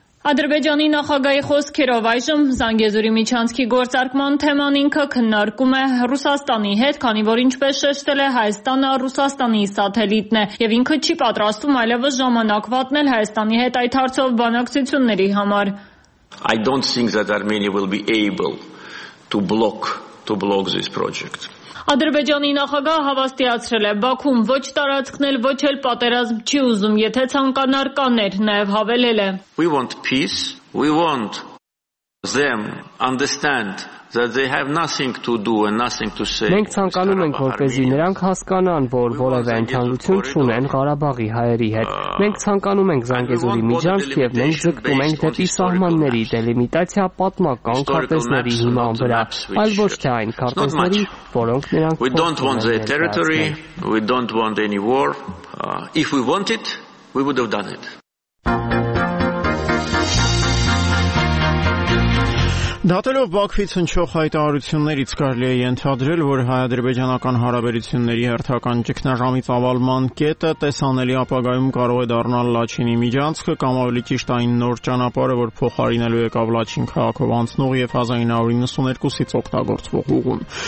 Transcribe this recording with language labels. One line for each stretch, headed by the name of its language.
Armenian: Ադրբեջանի նախագահի խոսքերով այժմ Զանգեզուրի միջանցքի գործարկման թեման ինքը քննարկում է Ռուսաստանի հետ, քանի որ ինչպես շեշտել է, Հայաստանը Ռուսաստանի սաթելիտն է եւ ինքը չի պատրաստվում այլևս ժամանակ վատնել Հայաստանի հետ այդ հարցով բանակցությունների համար։
English: I don't think that Armenia will be able to block this project.
Armenian: Ադրբեջանի նախագահ հավաստիացրել է Բաքուն ոչ տարածքնել, ոչ էլ պատերազմ չի ուզում, եթե ցանկանար կաներ, նաև հավելել է.
English: We want peace. We want them understand that they have nothing to do and nothing to say.
Armenian: Մենք ցանկանում ենք, որպեսզի նրանք հասկանան, որ որևէ ընդհանրություն չունեն Ղարաբաղի հայերի հետ։ Մենք ցանկանում ենք Զանգեզուրի միջանցք եւ մենք ձգտում ենք դեպի սահմանների դելիմիտացիա պատմական քարտեզների հիման վրա, այլ ոչ թե այն քարտեզների, որոնք նրանք
English: We don't want the territory, we don't want any war. If we wanted, we would have done it.
Armenian: Դատելով Բաքվից հնչող հայտարարություններից կարելի է ենթադրել, որ հայ-ադրբեջանական հարաբերությունների հերթական ճգնաժամից ավալման կետը տեսանելի ապագայում կարող է դառնալ Լաչինի միջանցքը կամ ավելի ճիշտ այն նոր ճանապարհը, որ փոխարինելու է կապ Լաչին քաղաքով անցնող եւ 1992-ից օգտագործվող ուղուն։